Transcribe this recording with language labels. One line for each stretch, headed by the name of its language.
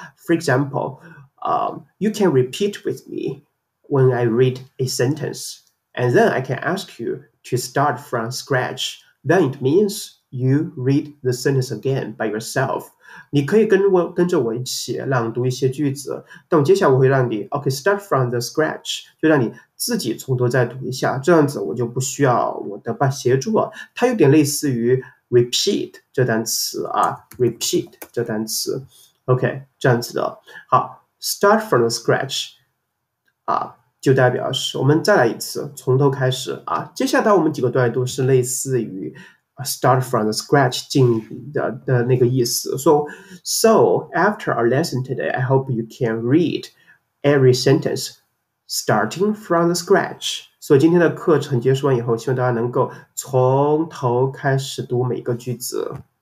English: For example，you can repeat with me when I read a sentence, and then I can ask you to start from scratch. Then it means you read the sentence again by yourself.
Chinese: 你可以跟着我一起朗读一些句子。但我接下来我会让你，OK，
English: start from the scratch，
Chinese: 就让你自己从头再读一下。这样子我就不需要我的伴协助了。它有点类似于。Repeat 这单词啊，repeat 这单词，OK，这样子的。好，
English: start from scratch
Chinese: 啊，就代表是我们再来一次，从头开始啊。接下来我们几个段都是类似于
English: start from scratch
Chinese: 进的那个意思。
English: So after our lesson today, I hope you can read every sentence starting from the scratch.
Chinese: 所以今天的课程结束完以后，希望大家能够从头开始读每个句子。